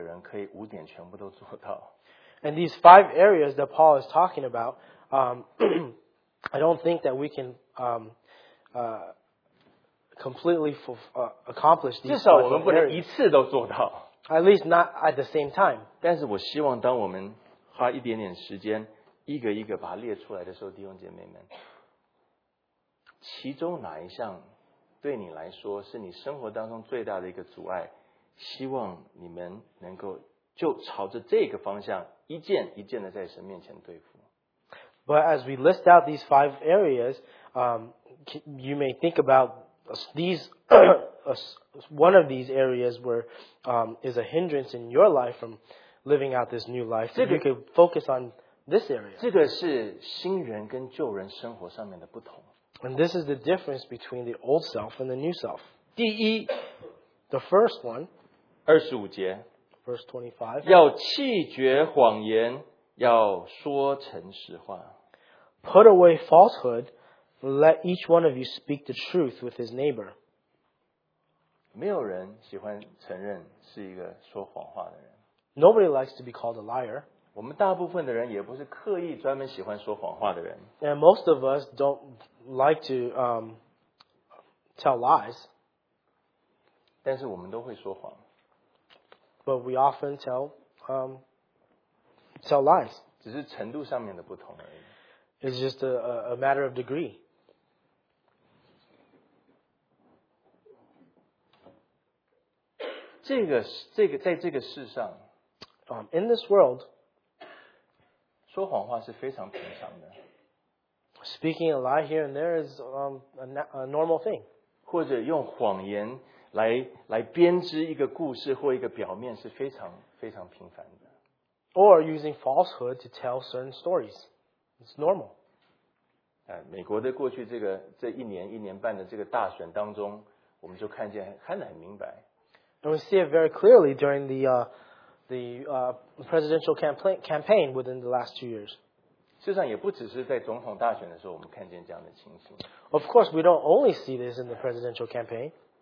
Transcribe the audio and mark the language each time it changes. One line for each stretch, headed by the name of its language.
Chinese: 这五点，也就是以弗所书第四章最后的这几节，这五点恐怕我们没有一个人可以五点全部都做到。
English: And these five areas that Paul is talking about, I don't think that we can completely accomplish these.
Chinese: 至少我们不能一次都做到。
English: At least not at the same time.
Chinese: 但是我希望当我们花一点点时间，一个一个把它列出来的时候，弟兄姐妹们，其中哪一项对你来说是你生活当中最大的一个阻碍？希望你们能够就朝着这个方向，一件一件的在神面前对付。
English: But as we list out these five areas, you may think about these. One of these areas where is a hindrance in your life from living out this new life. So you could focus on this area.
Chinese: 这个是新人跟旧人生活上面的不同。
English: And this is the difference between the old self and the new self.
Chinese: 第一,
English: the first one,
Chinese: 25节,
English: verse 25,
Chinese: 要弃绝谎言, 要说诚实话。
English: Put away falsehood, let each one of you speak the truth with his neighbor.
Chinese: 没有人喜欢承认是一个说谎话的人。
English: Nobody likes to be called a liar.
Chinese: 我们大部分的人也不是刻意专门喜欢说谎话的人。
English: And most of us don't like to tell lies.
Chinese: 但是我们都会说谎。
English: But we often tell lies.
Chinese: 只是程度上面的不同而已。
English: It's just a matter of degree.
Chinese: 这个在这个世上
English: in this world,
Chinese: 说谎话是非常平常的。
English: Speaking a lie here and there is a normal thing.
Chinese: 或者用谎言来编织一个故事或一个表面是非常非常频繁的。
English: Or using falsehood to tell certain stories. It's normal.
Chinese: 美国的过去这一年一年半的这个大选当中，我们就看见看得很明白。
English: And we see it very clearly during the presidential campaign within the last 2 years.
Chinese: 事实上也不只是在总统大选的时候我们看见这样的情形。
English: Of course, we don't only see this in the presidential campaign.